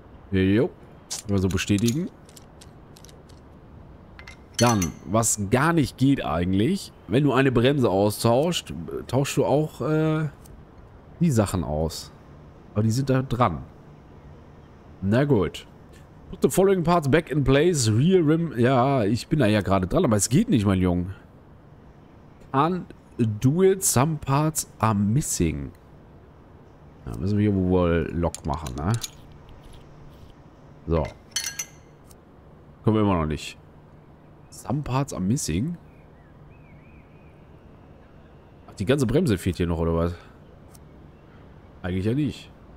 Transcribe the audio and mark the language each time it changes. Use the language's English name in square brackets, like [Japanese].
[German] Jo. Mal so bestätigen. Dann, was gar nicht geht eigentlich, wenn du eine Bremse austauschst, tauschst du auch die Sachen aus. Aber die sind da dran. Na gut. [English] Put the following parts back in place, rear rim. [German] Ja, ich bin da ja gerade dran, aber es geht nicht, mein Junge. [English] Can't do it, some parts are missing. [German] Da müssen wir hier wohl Lock machen, ne? So. Können wir immer noch nicht. [English] Some parts are missing. [German] Ach, die ganze Bremse fehlt hier noch, oder was? Eigentlich ja nicht.